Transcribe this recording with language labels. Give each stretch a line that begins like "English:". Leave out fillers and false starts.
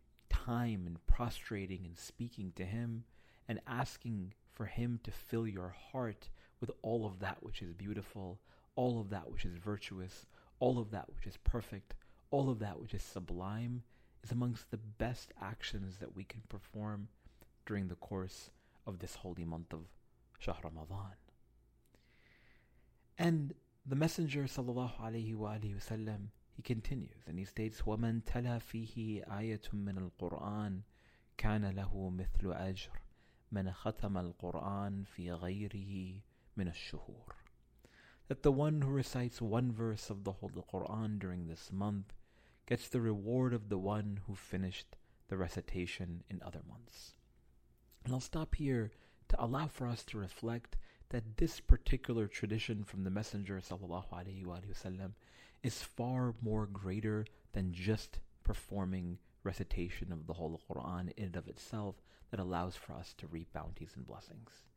English: time and prostrating and speaking to Him and asking for Him to fill your heart with all of that which is beautiful, all of that which is virtuous, all of that which is perfect, all of that which is sublime, is amongst the best actions that we can perform during the course of this holy month of Shahr Ramadan. And the Messenger sallallahu alayhi wa alayhi wa sallam, he continues and he states,
Arabic: وَمَنْ تَلَى فِيهِ آيَةٌ مِّنَ الْقُرْآنِ كَانَ لَهُ مِثْلُ أَجْرٍ مَنْ خَتَمَ الْقُرْآنِ فِي غَيْرِهِ مِنَ الشُّهُورِ.
English: That the one who recites one verse of the Holy Quran during this month gets the reward of the one who finished the recitation in other months. And I'll stop here to allow for us to reflect that this particular tradition from the Messenger sallallahu alayhi wa sallam is far more greater than just performing recitation of the Holy Quran in and of itself that allows for us to reap bounties and blessings.